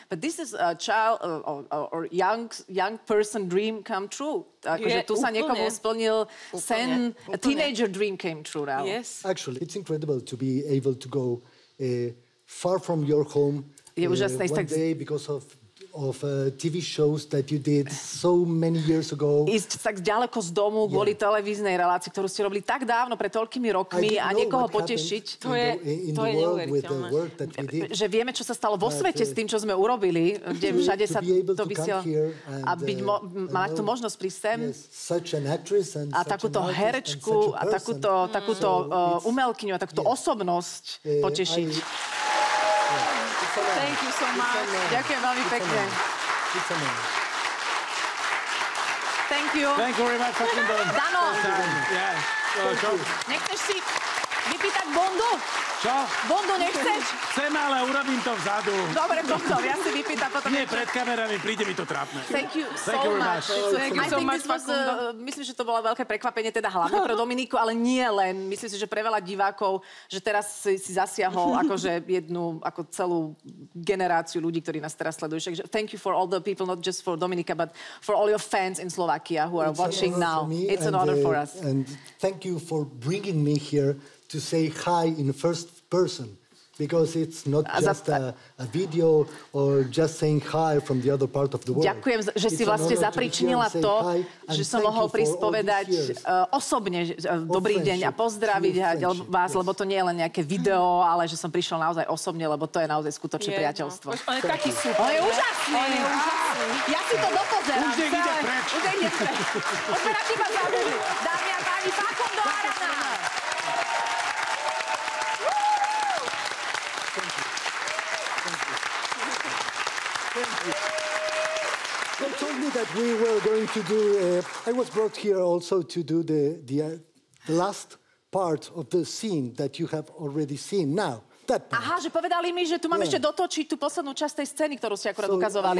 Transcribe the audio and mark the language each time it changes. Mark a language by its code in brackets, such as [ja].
[en] But this is a child or young person dream come true. [sk] Akože tu sa niekomu splnil sen. [en] A teenager dream came true now. Yes. Actually, it's incredible to be able to go far from your home one day because of... Of TV shows that you did so many years ago. [sk] Ísť tak ďaleko z domu kvôli televíznej relácii, ktorú ste robili tak dávno, pred toľkými rokmi a niekoho potešiť. To je neuveriteľné. Že vieme, čo sa stalo vo svete s tým, čo sme urobili, kde všade sa to vysiel. A mať tú možnosť prísť sem. A takúto herečku a takúto umelkyňu a takúto osobnosť potešiť. [en] Thank you so much. [sk] Ďakujem veľmi pekne. [en] Thank you. Thank you very much, Facundo. [sk] Dano. [en] Yeah. [sk] Nechceš si vypýtať bondu? Čo? Bondu nechceš? Chcem, ale urobím to vzadu. Dobre, Bondov, ja si vypýtam potom. Nie, pred kamerami, príde mi to trápne. [en] Thank you so much. [sk] Myslím, že to bolo veľké prekvapenie, teda hlavne pre Dominiku, ale nie len. Myslím si, že pre veľa divákov, že teraz si zasiahol akože jednu, ako celú generáciu ľudí, ktorí nás teraz sledujú. Takže [en] thank you for all the people, not just for Dominika, but for all your fans in Slovakia who are it's watching now. Me, it's an honor for us. And thank you for bringing me here to say hi in first person, because it's not just a video or just saying hi from the other part of the world. [sk] Ďakujem, že si vlastne zapričinila to, že som mohol prísť povedať osobne dobrý deň a pozdraviť vás, lebo to nie je len nejaké video, ale že som prišiel naozaj osobne, lebo to je naozaj skutočné priateľstvo. On je taký super. On je úžasný. Ja si to dopozerám. Už nech ide preč. Už nech ide preč. Už nech ide preč. Dámy a páni, pákom do Arana. [en] They told me that we were going to do... I was brought here also to do the last part of the scene that you have already seen now. That part. [sk] Aha, že povedali mi, že tu máme ešte dotočiť tú poslednú časť tej scény, ktorú ste akurát ukazovali.